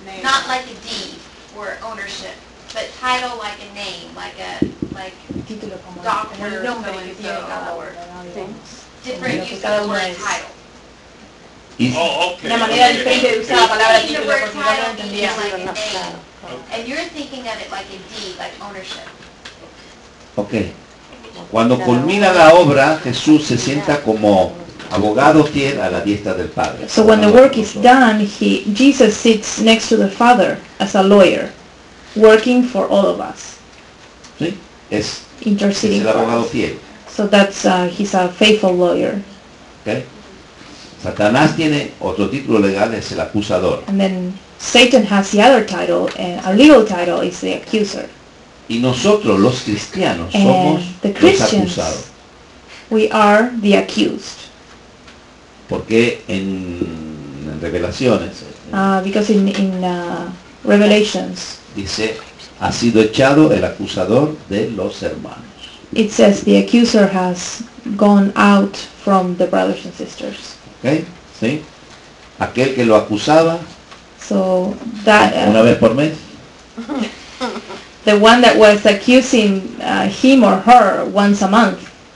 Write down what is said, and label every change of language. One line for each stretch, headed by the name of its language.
English: Not like a deed or ownership, but title like a name, like a
Spanish: Oh, okay. La manera diferente de usar la palabra título, porque no lo entendía.
English: And you're thinking of it like a deed, like ownership. Ok.
Spanish: Cuando culmina la obra, Jesús se sienta como abogado fiel a la diestra del Padre.
English: So when the work is done, Jesus sits next to the Father as a lawyer, working for all of us.
Spanish: Sí, es
English: interceding.
Spanish: Es el abogado fiel.
English: So that's he's a faithful lawyer. Okay.
Spanish: Satanás tiene otro título legal, es el acusador.
English: And then Satan has the other title, a legal title, is the accuser.
Spanish: Y nosotros, los cristianos, somos los acusados.
English: We are the accused.
Spanish: Porque en Revelaciones.
English: Because in Revelations.
Spanish: Dice, ha sido echado el acusador de los hermanos.
English: It says the accuser has gone out from the brothers and sisters.
Spanish: Okay, sí. Aquel que lo acusaba.
English: So that.
Spanish: Una vez por mes.
English: The one that was accusing him or her once a month.